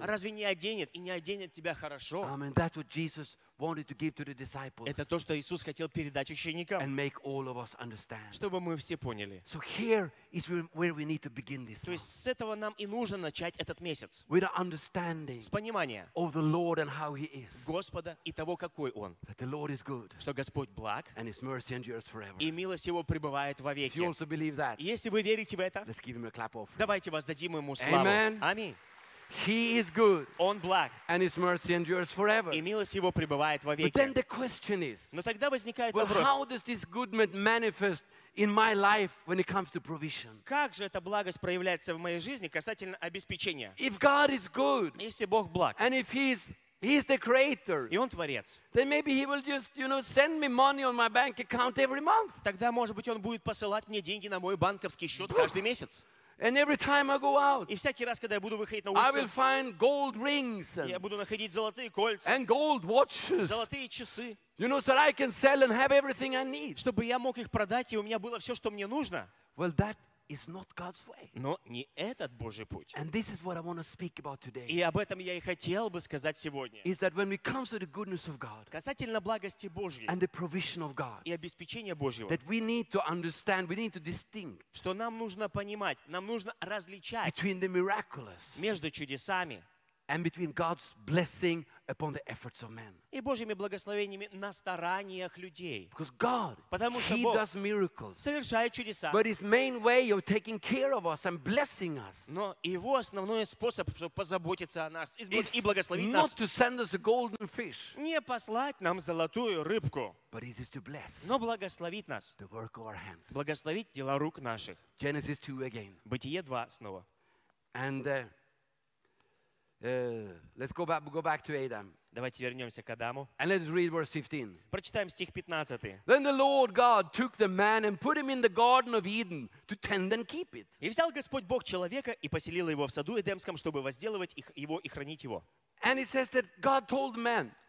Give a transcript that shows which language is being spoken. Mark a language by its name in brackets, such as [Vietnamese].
[Russian] Разве не оденет и не оденет тебя хорошо? [English] Amen. That's what Jesus wanted to give to the disciples. [Russian] Это то, что Иисус хотел передать ученикам. [English] And make all of us understand. [Russian] Чтобы мы все поняли. [English] So here is where we need to begin this. [Russian] То есть с этого нам и нужно начать этот месяц. [English] With an understanding. [Russian] С понимания. [English] Of the Lord and how He is. [Russian] Господа и того, какой Он. [English] That the Lord is good. [Russian] Что Господь благ. [English] And His mercy endures forever. [Russian] И милость Его пребывает вовеки. [English] If you also believe that. [Russian] Если вы верите в это. [English] Let's give Him a clap offering. [Russian] Давайте воздадим Ему славу. [English] Amen. [Russian] Аминь. [English] He is good. [Russian] Он благ. [English] And His mercy endures forever. [Russian] И милость Его пребывает вовеки. [English] But then the question is. [Russian] Но тогда возникает [English] well, [Russian] вопрос. [English] How does this goodness manifest in my life when it comes to provision? [Russian] Как же эта благость проявляется в моей жизни касательно обеспечения? [English] If God is good. [Russian] Если Бог благ. [English] And if He's the Creator. [Russian] И Он Творец. [English] Then maybe He will just, you know, send me money on my bank account every month. [Russian] Тогда, может быть, Он будет посылать мне деньги на мой банковский счет каждый месяц. [English] And every time I go out, [Russian] и всякий раз, когда я буду выходить на улицу, [English] I will find gold rings and, [Russian] я буду находить золотые кольца, [English] and gold watches, [Russian] золотые часы, [English] you know, so I can sell and have everything I need. [Russian] Чтобы я мог их продать, и у меня было все, что мне нужно. [English] Well, that is not God's way. [Russian] Но не этот Божий путь. [English] And this is what I want to speak about today. [Russian] И об этом я и хотел бы сказать сегодня. [English] Is that when it comes to the goodness of God, [Russian] касательно благости Божьей, [English] and the provision of God, [Russian] и обеспечения Божьего, [English] that we need to understand, we need to distinguish, [Russian] что нам нужно понимать, нам нужно различать, [English] between the miraculous, [Russian] между чудесами, [English] and between God's blessing upon the efforts of men. [Russian] И Божьими благословениями на стараниях людей. [English] Because God, [Russian] потому что [English] He [Russian] Бог [English] does miracles, [Russian] совершает чудеса. [English] But His main way of taking care of us and blessing us, [Russian] но Его основной способ, чтобы позаботиться о нас и благословить [English] not [Russian] нас, [English] to send us a golden fish, [Russian] не послать нам золотую рыбку, [English] but it is to bless, [Russian] но благословить нас, [English] the work of our hands, [Russian] благословить дела рук наших. [English] Genesis 2 again. [Russian] Бытие 2 снова. [English] And Let's go back to Adam. [Russian] Давайте вернемся к Адаму. [English] And let's read verse 15. [Russian] Прочитаем стих 15. [English] Then the Lord God took the man and put him in the garden of Eden to tend and keep it. [Russian] И взял Господь Бог человека и поселил его в саду Эдемском, чтобы возделывать его и хранить его. [English] And it says that God told the man.